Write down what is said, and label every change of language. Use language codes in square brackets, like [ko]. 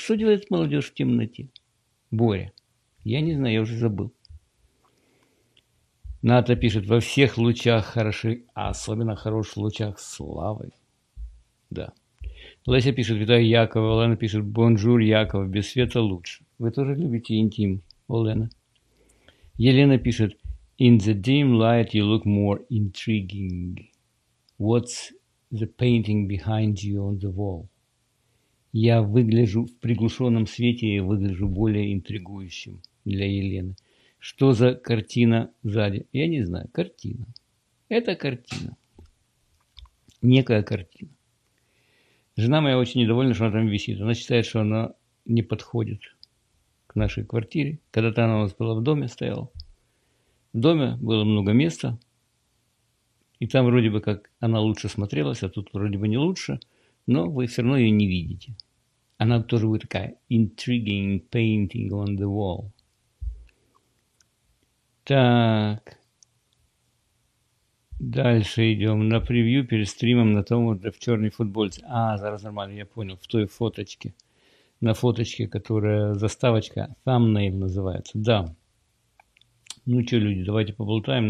[ru] Что делает молодежь в темноте? Боря, я не знаю, я уже забыл. Ната пишет, во всех лучах хороши, а особенно хорош в лучах славы. Да. Леся пишет, витаю Якова. Олена пишет, бонжур, Яков, без света лучше. Вы тоже любите интим, Олена? Елена пишет, [en] in the dim light you look more intriguing. What's the painting behind you on the wall? [ru] Я выгляжу в приглушенном свете, я выгляжу более интригующим для Елены. Что за картина сзади? Я не знаю. Картина. Это картина. Некая картина. Жена моя очень недовольна, что она там висит. Она считает, что она не подходит к нашей квартире. Когда-то она у нас была в доме, стояла. В доме было много места. И там вроде бы как она лучше смотрелась, а тут вроде бы не лучше. Но вы все равно ее не видите. Она тоже будет такая [en] intriguing painting on the wall. [ru] Так. Дальше идем на превью перед стримом на том вот в черной футболке. А, зараз нормально, я понял. В той фоточке. На фоточке, которая заставочка. Thumbnail называется. Да. Ну что, люди, давайте поболтаем.